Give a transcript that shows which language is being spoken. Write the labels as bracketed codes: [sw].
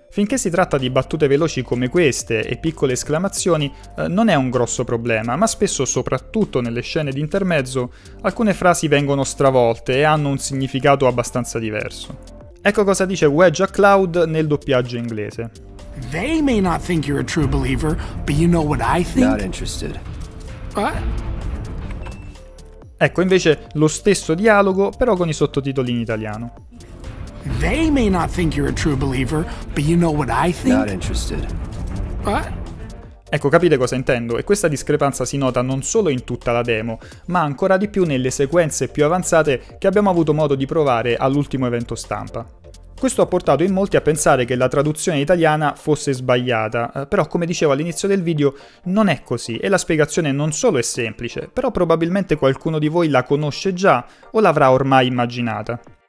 [it] Finché si tratta di battute veloci come queste e piccole esclamazioni, non è un grosso problema, ma spesso, soprattutto nelle scene di intermezzo, alcune frasi vengono stravolte e hanno un significato abbastanza diverso. Ecco cosa dice Wedge a Cloud nel doppiaggio inglese. [en] They may not think you're a true believer, but you know what I think? Not interested. What? [it] Ecco invece lo stesso dialogo, però con i sottotitoli in italiano. [en] They may not think you're a true believer, but you know what I think? Not interested. What? [it] Ecco, capite cosa intendo? E questa discrepanza si nota non solo in tutta la demo, ma ancora di più nelle sequenze più avanzate che abbiamo avuto modo di provare all'ultimo evento stampa. Questo ha portato in molti a pensare che la traduzione italiana fosse sbagliata, però come dicevo all'inizio del video, non è così e la spiegazione non solo è semplice, però probabilmente qualcuno di voi la conosce già o l'avrà ormai immaginata.